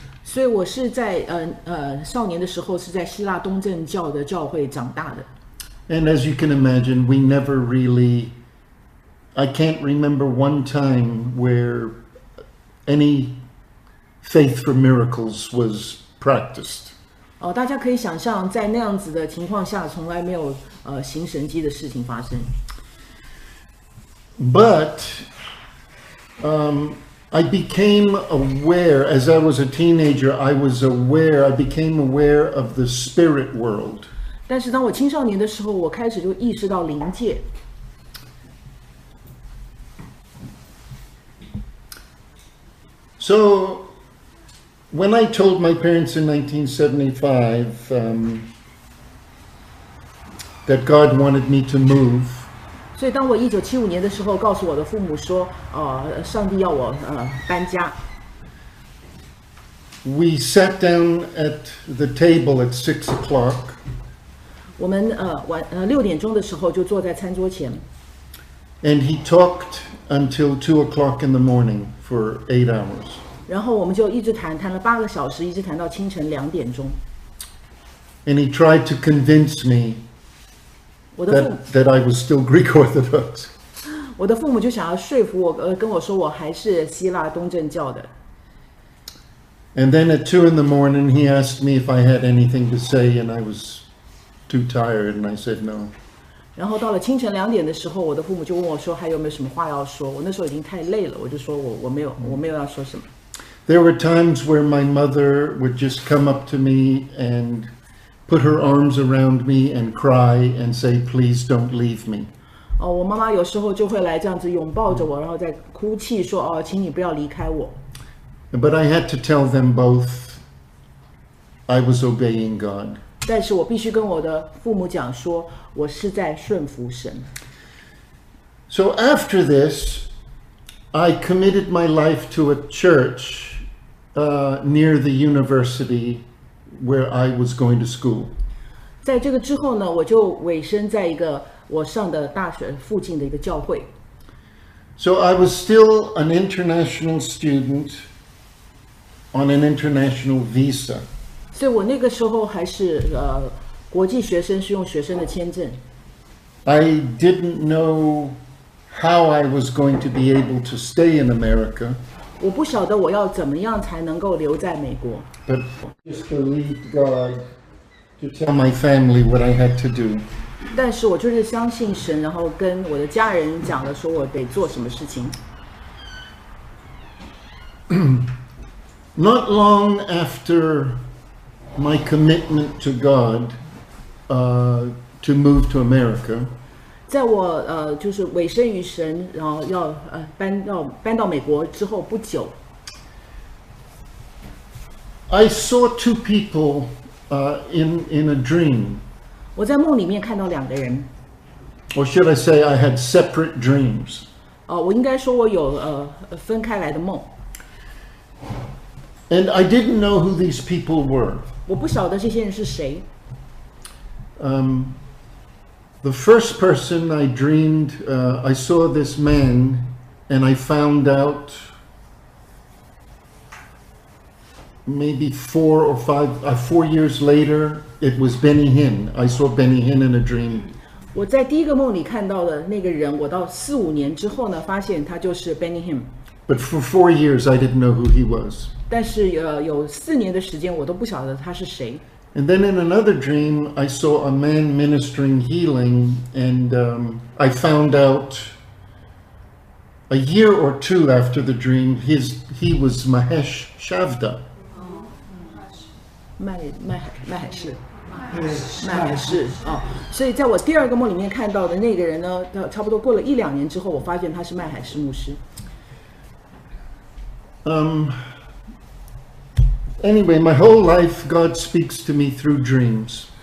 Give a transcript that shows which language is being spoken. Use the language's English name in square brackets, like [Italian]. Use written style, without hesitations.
[Chinese] 所以我是在少年的时候是在希腊东正教的教会长大的。 [English] And as you can imagine, we never really, I can't remember one time where any faith for miracles was practiced. [Chinese] 哦，大家可以想象，在那样子的情况下，从来没有行神迹的事情发生。 [English] But I became aware, as I was a teenager, I became aware of the spirit world. [Chinese] 但是当我青少年的时候，我开始就意识到灵界。 [English] So, when I told my parents in 1975 that God wanted me to move, [Chinese] 所以，当我1975年的时候，告诉我的父母说，上帝要我搬家。 [English] we sat down at the table at 6 o'clock, [Chinese] 我们6点钟的时候就坐在餐桌前。 [English] and he talked until 2 o'clock in the morning for 8 hours. [Chinese] 然后我们就一直谈了8个小时，一直谈到清晨2点钟。 [English] And he tried to convince me that I was still Greek Orthodox. [Chinese] 我的父母就想要说服我，跟我说我还是希腊东正教的。 [English] And then at 2 in the morning, he asked me if I had anything to say, and I was too tired, and I said no. [Chinese] 然后到了清晨2点的时候，我的父母就问我说还有没有什么话要说？我那时候已经太累了，我就说我没有要说什么。 [English] There were times where my mother would just come up to me and put her arms around me and cry and say, "Please don't leave me." [Chinese] 哦，我妈妈有时候就会来这样子拥抱着我，然后再哭泣说：“哦，请你不要离开我。 [English] But I had to tell them both I was obeying God. [Chinese] ”但是我必须跟我的父母讲说，我是在顺服神。 [English] So after this, I committed my life to a church near the university where I was going to school. [Chinese] 在这个之后呢，我就委身在一个我上的大学附近的一个教会。 [English] So I was still an international student on an international visa. [Chinese] 所以我那个时候还是国际学生，是用学生的签证。 [English] I didn't know how I was going to be able to stay in America, [Chinese] 我不晓得我要怎么样才能够留在美国。 [English] but just believed God to tell my family what I had to do. [Chinese] 但是我就是相信神，然后跟我的家人讲了，说我得做什么事情。 [English] Not long after my commitment to God, to move to America, [Chinese] 在我就是委身于神，然后要搬到美国之后不久。 [English] I saw two people in a dream. [Chinese] 我在梦里面看到两个人。 [English] Or should I say, I had separate dreams. [Chinese] 我应该说我有分开来的梦。 [English] And I didn't know who these people were. [Chinese] 我不晓得这些人是谁。 [English] The first person I dreamed, I saw this man, and I found out maybe 4 years later, it was Benny Hinn. I saw Benny Hinn in a dream. [Chinese] 我在第一个梦里看到的那个人，我到4、5年之后呢，发现他就是 Benny Hinn。 [English] But for 4 years, I didn't know who he was. [Chinese] 但是有4年的时间，我都不晓得他是谁。 [English] And then in another dream, I saw a man ministering healing, and I found out a year or two after the dream, he was Mahesh Shavda. [Chinese] Mahesh 所以在我第二个梦里面看到的那个人呢，他差不多过了1、2年之后，我发现他是麦海士牧师。 [English] Anyway, my whole life, God speaks to me through dreams.